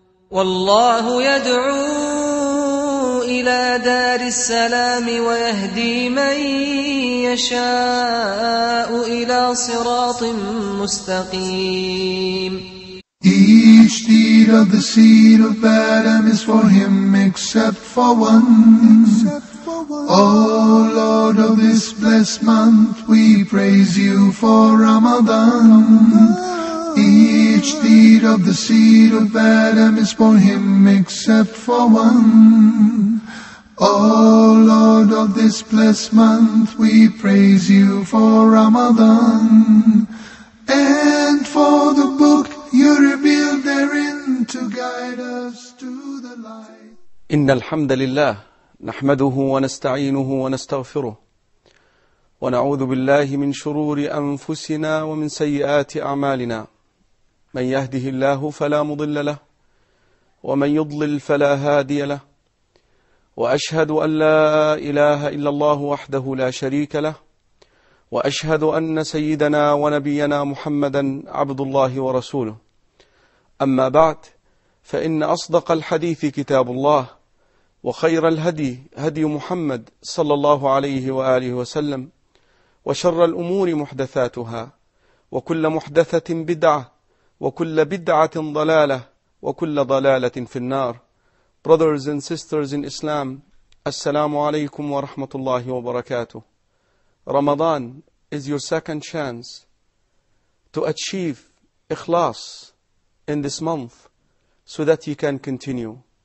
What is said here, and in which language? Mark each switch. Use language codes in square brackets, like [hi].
[ar] والله يدعو إلى دار السلام ويهدي من يشاء إلى صراط مستقيم. [en] Each deed of the seed of Adam is for him except for one. Oh Lord of this blessed month, we praise you for Ramadan. Each deed of the seed of Adam is for him except for one. Oh Lord of this blessed month, we praise you for Ramadan. And for the book you revealed therein to guide us to the light. [ar] Inna alhamdulillah, nahmaduhu wa nasta'inuhu wa nastaghfiruh. ونعوذ بالله من شرور أنفسنا ومن سيئات أعمالنا من يهده الله فلا مضل له ومن يضلل فلا هادي له وأشهد أن لا إله إلا الله وحده لا شريك له وأشهد أن سيدنا ونبينا محمدا عبد الله ورسوله أما بعد فإن أصدق الحديث كتاب الله وخير الهدي هدي محمد صلى الله عليه وآله وسلم وشر الأمور محدثاتها وكل محدثة بدعة وكل بدعة ضلالة وكل ضلالة في النار. [en] Brothers and sisters in Islam, [ar] السلام عليكم ورحمة الله وبركاته. [en] Ramadan is your second chance to achieve ikhlas in this month so that you can continue.